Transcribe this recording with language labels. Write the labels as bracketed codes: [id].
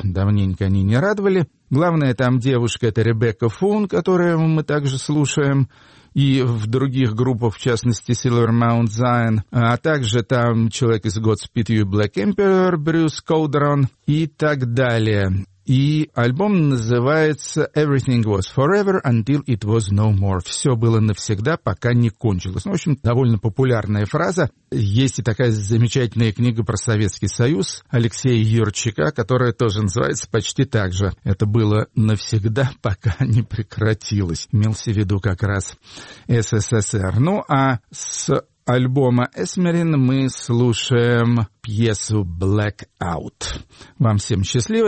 [ru] Давненько они не радовали. Главная там девушка — это Ребекка Фун, которую мы также слушаем, и в других группах, в частности, Silver Mount Zion, а также там человек из Godspeed You Black Emperor, Брюс Коудрон, и так далее. И альбом называется [en] «Everything was forever until it was no more». [ru] «Все было навсегда, пока не кончилось». Ну, в общем, довольно популярная фраза. Есть и такая замечательная книга про Советский Союз Алексея Юрчика, которая тоже называется почти так же. «Это было навсегда, пока не прекратилось». Имелся в виду как раз СССР. Ну, а с альбома «Эсмерин» мы слушаем пьесу «Blackout». Вам всем счастливо.